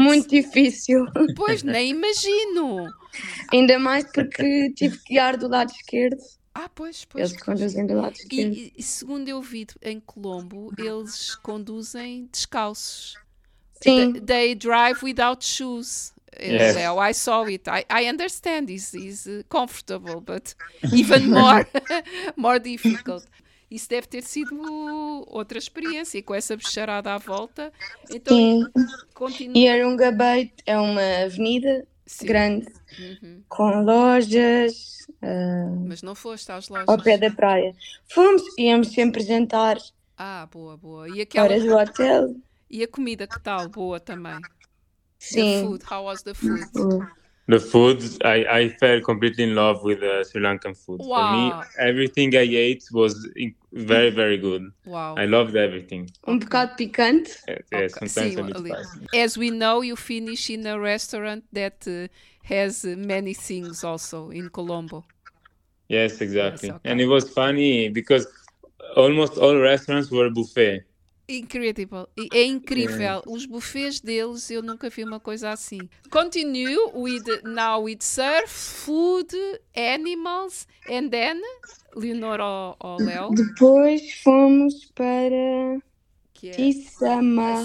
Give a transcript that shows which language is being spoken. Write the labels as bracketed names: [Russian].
[Portuguese] Muito difícil. Pois, nem imagino. Ainda mais porque tive que guiar do lado esquerdo. Ah, pois. Eles conduzem do lado esquerdo. E segundo eu vi em Colombo, eles conduzem descalços. Sim. [English] They drive without shoes. Yes. I saw it. I understand this is comfortable, but even more difficult. [Portuguese] Isso deve ter sido outra experiência com essa bicharada à volta. Então, sim. Continua. E Arunga Bay é uma avenida grande com lojas. Mas não foste às lojas. Ao pé da praia. Fomos, íamos sempre jantar. Ah, boa, boa. E aquela... Fora do hotel. E a comida que tal? Boa também. Sim. [English] The food, how was the food? The food, I fell completely in love with the Sri Lankan food. Wow. For me, everything I ate was very, very good. Wow. I loved everything. [Portuguese] Um bocado picante? [English] Yes, sometimes a bit spicy. As we know, you finish in a restaurant that has many things also in Colombo. Yes, exactly. Yes, okay. And it was funny because almost all restaurants were buffet. Incredible. [Portuguese] É incrível. [English] Yeah. [Portuguese] Os buffets deles, eu nunca vi uma coisa assim. [English] Continue with now with surf, food, animals, and then Leonor ou Léo. [Portuguese] Depois fomos para Tissama.